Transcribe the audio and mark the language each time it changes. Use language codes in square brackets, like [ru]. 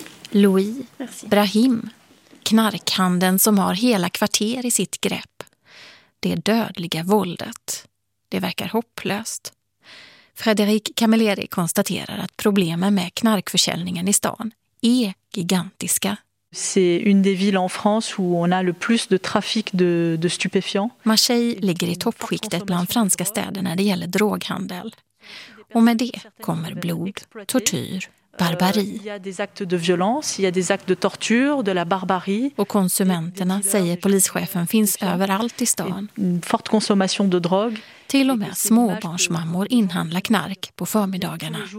[sv] Louis, Brahim, knarkhandeln som har hela kvarter i sitt grepp. Det dödliga våldet. Det verkar hopplöst. Frédéric Camilleri konstaterar att problemen med knarkförsäljningen i stan är gigantiska. [fr] C'est une des villes en France où on a le plus de trafic de stupéfiants. [sv] Marseille ligger i toppskiktet bland franska städer när det gäller droghandel. Och med det kommer blod, tortyr, barbari. [fr] Il y a des actes de violence, il y a des actes de torture, de la barbarie. [sv] Och konsumenterna, säger polischefen, finns överallt i stan. [fr] Forte consommation de drogue. [sv] Till och med småbarnsmammor inhandlar knark på förmiddagarna.